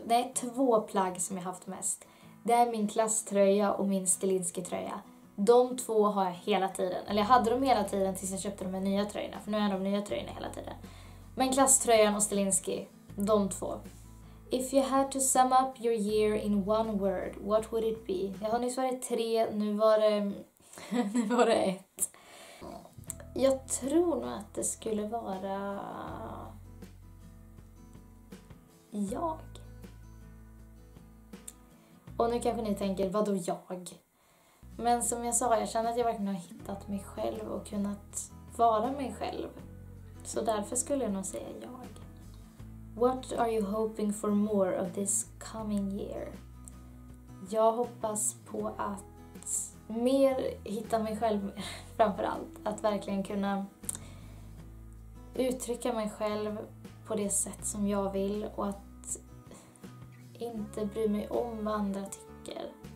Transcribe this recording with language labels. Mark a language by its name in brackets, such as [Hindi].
[Swedish] Det är två plagg som jag har haft mest. Det är min klasströja och min Stilinski-tröja. De två har jag hela tiden. Eller jag hade dem hela tiden tills jag köpte de nya tröjorna. För nu är de nya tröjorna hela tiden. Men klasströjan och Stilinski, de två. [English] If you had to sum up your year in one word, what would it be? [Swedish] Jag har nyss varit tre, nu var det ett. Jag tror nog att det skulle vara jag. Och nu kanske ni tänker, vad då jag? Men som jag sa, jag känner att jag verkligen har hittat mig själv och kunnat vara mig själv. Så därför skulle jag nog säga jag. [English] What are you hoping for more of this coming year? [Swedish] Jag hoppas på att mer hitta mig själv mer, framförallt. Att verkligen kunna uttrycka mig själv på det sätt som jag vill. Och att inte bry mig om vad andra tycker.